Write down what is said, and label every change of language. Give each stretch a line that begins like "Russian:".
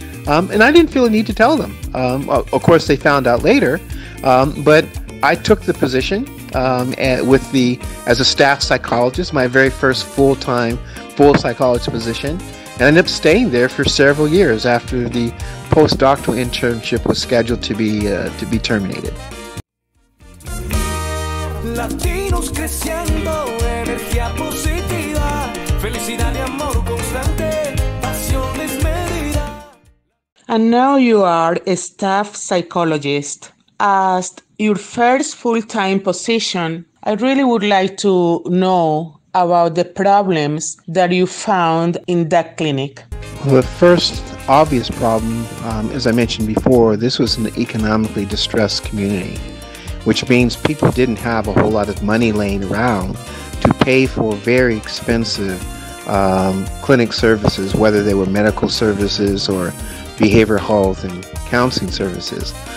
English: And I didn't feel a need to tell them. Of course, they found out later, but I took the position as a staff psychologist, my very first full-time, full psychologist position. And I ended up staying there for several years after the postdoctoral internship was scheduled to be terminated.
Spanish: Latinos creciendo, energía positiva, felicidad y amor constante, pasiones medidas.
English: And now you are a staff psychologist. As your first full-time position, I really would like to know about the problems that you found in that clinic. The first obvious problem, as I mentioned before, this was an economically distressed community, which means people didn't have a whole lot of money laying around to pay for very expensive clinic services, whether they were medical services or behavioral health and counseling services.